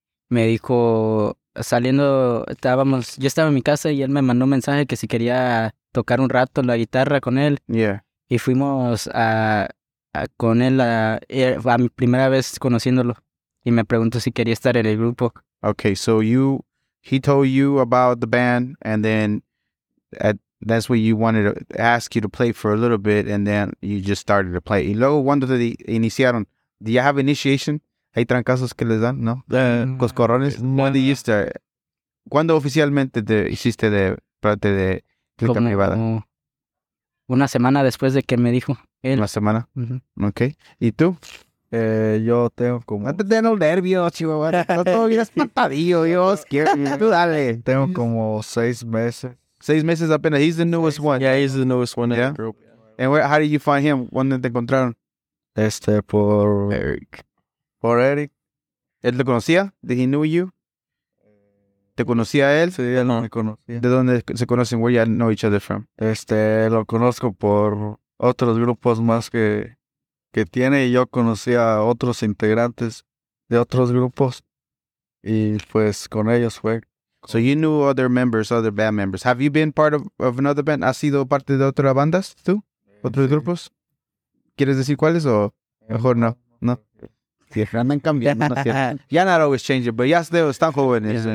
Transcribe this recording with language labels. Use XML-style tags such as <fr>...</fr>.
<es>Me dijo, saliendo, estábamos, yo estaba en mi casa y él me mandó un mensaje que si quería tocar un rato la guitarra con él.</es> <en>Yeah.</en> <es>Y fuimos a mi primera vez conociéndolo. Y me preguntó si quería estar en el grupo.</es> <en>Okay, so he told you about the band and then that's when you wanted to ask you to play for a little bit and then you just started to play.</en> <es>Y luego, cuando te iniciaron,</es> <en>do you have initiation?</en> <es>¿Hay trancazos que les dan, no? ¿Coscorrones? ¿Cuándo hiciste? ¿Cuándo oficialmente te hiciste de parte de Clica Privada? Una semana después de que me dijo él. ¿Una semana? Uh-huh. Ok. ¿Y tú? Yo tengo como... No te den los nervios, chihuahua. Está todo bien espantadillo, Dios. Tú dale. Tengo como 6 meses. 6 meses apenas.</es> <en>He's the newest one. Yeah, he's the newest one in the group. And how did you find him?</en> <es>¿Dónde te encontraron? Por Eric. Por Eric. ¿Él te conocía?</es> <en>Did he know you?</en> <es>¿Te conocía él? Sí, él no me conocía. ¿De dónde se conocen?</es> <en>Where you know each other from?</en> <es>Lo conozco por otros grupos más que tiene. Y yo conocí a otros integrantes de otros grupos. Y pues con ellos fue.</es> <en>So you knew other members, other band members. Have you been part of another band?</en> <es>¿Has sido parte de otras bandas tú? ¿Otros grupos? ¿Quieres decir cuáles o mejor no? No.</es> <en>Yeah, not always changing, but yes, they're still jóvenes. Yeah.</en>